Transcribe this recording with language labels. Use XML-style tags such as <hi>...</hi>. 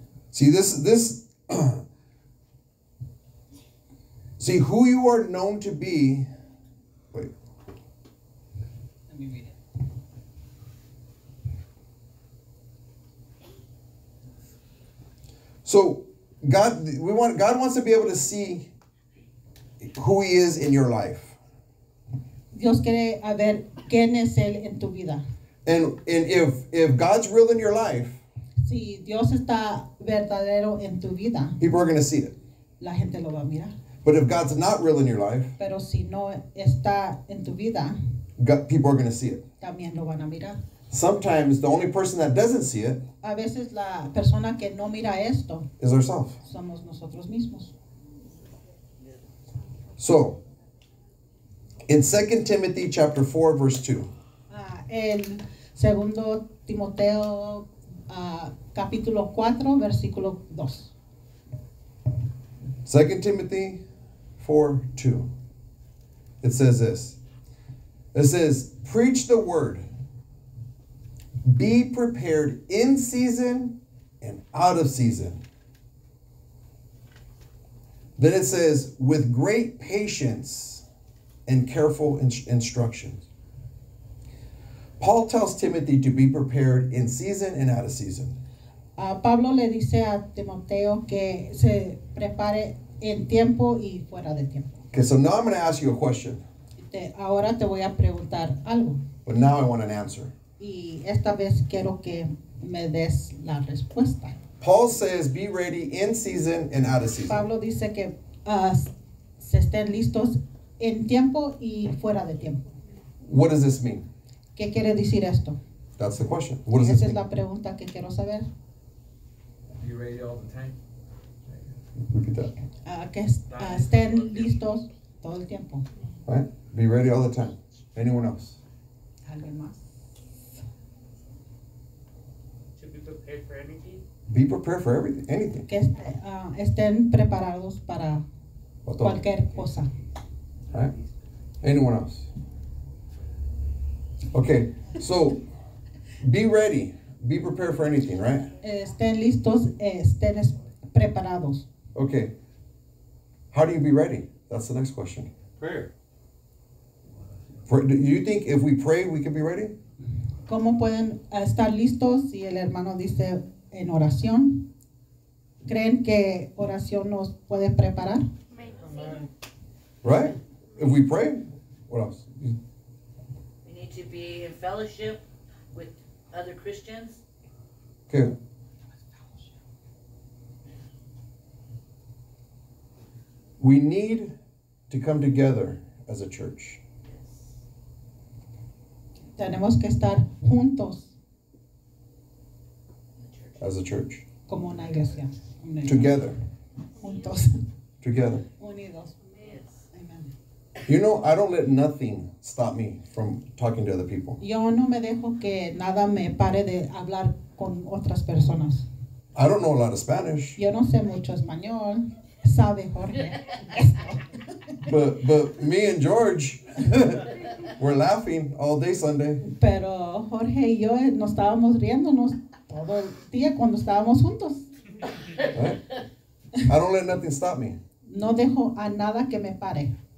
<en>See, this see, who you are known to be, wait. Let me read it. So, God wants to be able to see who he is in your life.</en> <es>Dios quiere saber quién es él en tu vida.</es> <en>And if God's real in your life,</en> <es>si Dios está verdadero en tu vida,</es> <en>people are going to see it.</en> <es>La gente lo va a mirar.</es> <en>But if God's not real in your life,</en> <es>pero si no está en tu vida,</es> <en>people are going to see it.</en> <es>También lo van a mirar.</es> <en>Sometimes the only person that doesn't see it,</en> <es>a veces la persona que no mira esto,</es> <en>is herself.</en> <es>Somos nosotros mismos.</es> <en>So, in 2 Timothy chapter 4, verse 2.</en> <es>En Segundo Timoteo capítulo 4, versículo 2.</es> <en>2 Timothy 4, 2. It says this. It says, preach the word. Be prepared in season and out of season. Then it says, with great patience and careful instructions. Paul tells Timothy to be prepared in season and out of season.</en> <es>Pablo le dice a Timoteo que se prepare en tiempo y fuera de tiempo.</es> <en>Okay, so now I'm going to ask you a question.</en> <es>Ahora te voy a preguntar algo.</es> <en>But now I want an answer.</en> <es>Y esta vez quiero que me des la respuesta.</es> <en>Paul says, be ready in season and out of season.</en> <es>Pablo dice que se estén listos en tiempo y fuera de tiempo.</es> <en>What does this mean?</en> <es>¿Qué quiere decir esto?</es> <en>That's the question. What does this mean?</en> <es>Esa es la pregunta que quiero saber.</es> <en>Be ready all the time. Look at that.</en> <es>Que estén listos todo el tiempo.</es> <en>Right? Be ready all the time. Anyone else?</en> <es>¿Alguien más?</es> <en>To be prepared for anything? Be prepared for everything, anything.</en> <es>Que estén preparados para cualquier cosa.</es> <en>Right? Anyone else? Okay, so be ready. Be prepared for anything, right?</en> <es>Estén listos, estén preparados.</es> <en>Okay. How do you be ready? That's the next question. Prayer. Do you think if we pray, we can be ready?</en> <es>¿Cómo pueden estar listos si el hermano dice... en oración? ¿Creen que oración nos puede preparar?</es> <en>Right? If we pray, what else? We need to be in fellowship with other Christians. Okay. We need to come together as a church.</en> <es>Tenemos que estar juntos.</es> <en>As a church.</en> <es>Como una iglesia.</es> <en>Together.</en> <es>Juntos.</es> <en>Together.</en> <es>Unidos.</es> <en>Amen. You know, I don't let nothing stop me from talking to other people.</en> <es>Yo no me dejo que nada me pare de hablar con otras personas.</es> <en>I don't know a lot of Spanish.</en> <es>Yo no sé mucho español. Sabe Jorge.</es> <en>But me and George, we're laughing all day Sunday.</en> <es>Pero Jorge y yo nos estábamos riéndonos. Todo el día cuando estábamos juntos.</es> <en>Right? I don't let nothing stop me.</en> <es>No dejo a nada que me pare.</es>